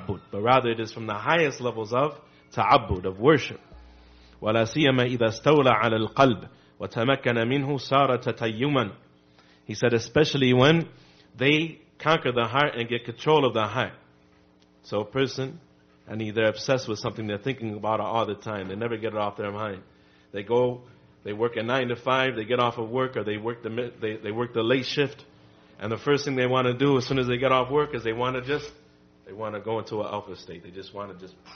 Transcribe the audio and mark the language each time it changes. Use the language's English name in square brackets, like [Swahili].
[English] But rather it is from the highest levels of ta'abbud, of worship. [Arabic] ولا سيما إذا استولى على القلب وتمكن منه صار تتيما. [English] He said, especially when they conquer the heart and get control of the heart. So a person, they're obsessed with something, they're thinking about it all the time. They never get it off their mind. They go, they work a 9 to 5, they get off of work, or they work the late shift, and the first thing they want to do as soon as they get off work is they want to go into an alpha state. They just want to just.